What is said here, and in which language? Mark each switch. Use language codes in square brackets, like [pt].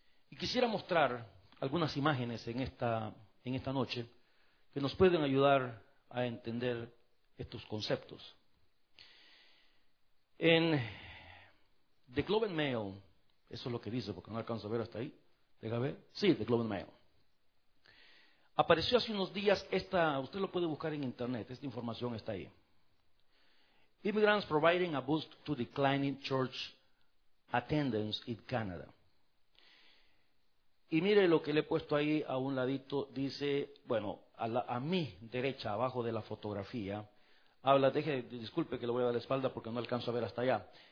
[es] Y quisiera mostrar algunas imágenes en esta noche que nos pueden ayudar a entender estos conceptos. En The Globe and Mail, eso es lo que dice, porque no alcanzo a ver hasta ahí. Deja ver. Sí, The Globe and Mail. Apareció hace unos días esta, usted lo puede buscar en internet, esta información está ahí. [en] Immigrants providing a boost to declining church attendance in Canada. [es] Y mire lo que le he puesto ahí a un ladito, dice, bueno, a mi derecha, abajo de la fotografía, habla, disculpe que le voy a dar la espalda porque no alcanzo a ver hasta allá.